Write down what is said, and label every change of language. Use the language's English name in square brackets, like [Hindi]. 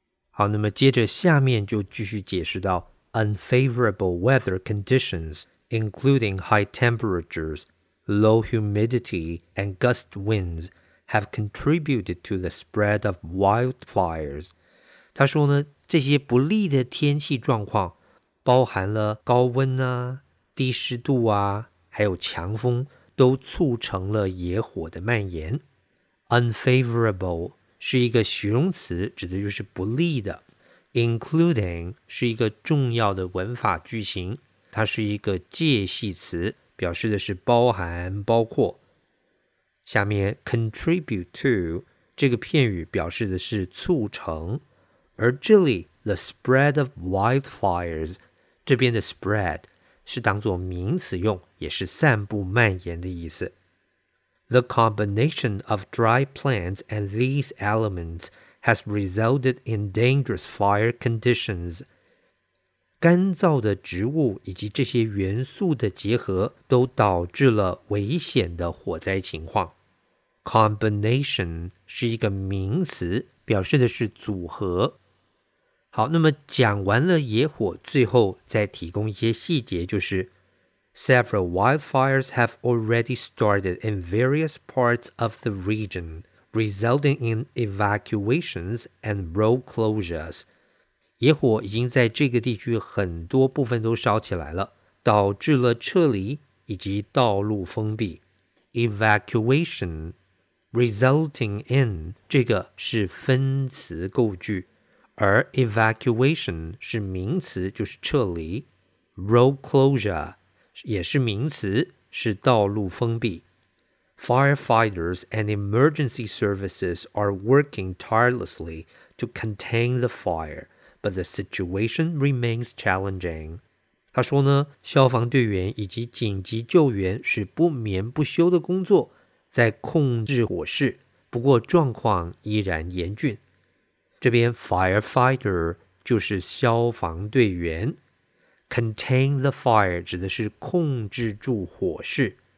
[Chinese] 好，那么接着下面就继续解释到 [English] unfavorable weather conditions including high temperatures, low humidity and gust winds have contributed to the spread of wildfires。 [Chinese] 他说呢，这些不利的天气状况包含了高温啊、低湿度啊、还有强风，都促成了野火的蔓延。 Unfavorable 是一个形容词，指的就是不利的。 Including 是一个重要的文法句型，它是一个介系词，表示的是包含、包括。下面 contribute to 这个片语表示的是促成，而这里 [English] the spread of wildfires， [Chinese] 这边的 spread 是当作名词用，也是散布蔓延的意思。 [English] The combination of dry plants and these elements has resulted in dangerous fire conditions。 [Chinese] 干燥的植物以及这些元素的结合都导致了危险的火灾情况。 Combination 是一个名词，表示的是组合。好，那么讲完了野火，最后再提供一些细节，就是 [English] Several wildfires have already started in various parts of the region, resulting in evacuations and road closures. [Chinese] 野火已经在这个地区很多部分都烧起来了，导致了撤离以及道路封闭。 [English] Evacuation, resulting in, [Chinese] 这个是分词构句，而 evacuation 是名词，就是撤离。 [English] Road closure, [Chinese] 也是名词，是道路封闭。 [English] Firefighters and emergency services are working tirelessly to contain the fire, but the situation remains challenging. [Chinese] 他说呢，消防队员以及紧急救援是不眠不休的工作，在控制火势，不过状况依然严峻。这边 firefighter 就是消防队员， [English] contain the fire [Chinese] 指的是控制住火势。